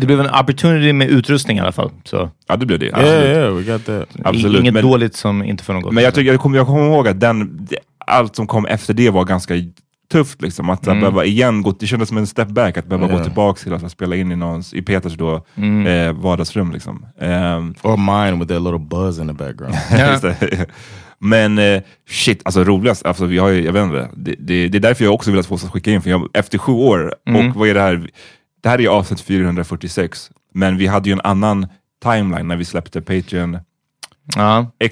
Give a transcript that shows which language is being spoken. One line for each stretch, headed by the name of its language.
Swedish: Det blev en opportunity med utrustning i alla fall. Så. Ja, det blev det.
English: Yeah, we got that.
Swedish: Absolut. Inget men, dåligt som inte för något. Men jag kommer ihåg att allt som kom efter det var ganska tufft. Liksom. Att behöva igen gå, det kändes som en
English: step back.
Swedish: Att behöva gå tillbaka till att spela in i Peters då, vardagsrum. Liksom.
English: Or mine with that little buzz in the background.
Swedish: Men shit, alltså roligast, alltså vi har ju, jag vet inte, det är därför jag också vill att få oss att skicka in. För efter 7 år, och vad är det här... Det här är avsnitt 446, men vi hade ju en annan timeline när vi släppte Patreon. Ja.